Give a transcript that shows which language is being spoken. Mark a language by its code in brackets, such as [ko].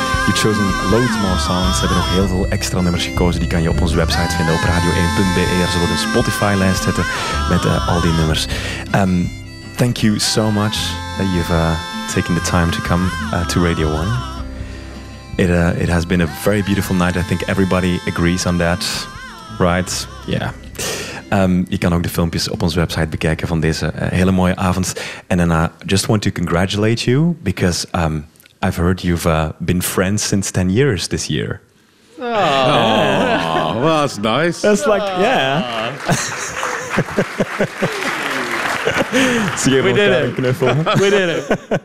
[en] You've chosen loads more songs. [nl] Ze hebben nog heel veel extra nummers gekozen. Die kan je op onze website vinden op radio1.be. Er zullen we een Spotify-lijst zetten met al die nummers. [en] thank you so much that you've taken the time to come to Radio 1. It has been a very beautiful night. I think everybody agrees on that, right? Yeah. [nl] Je kan ook de filmpjes op onze website bekijken van deze hele mooie avond. [en] And then I just want to congratulate you, because I've heard you've been friends since 10 years this year. Oh, well, that's nice. It's like, yeah. We did it. We did it.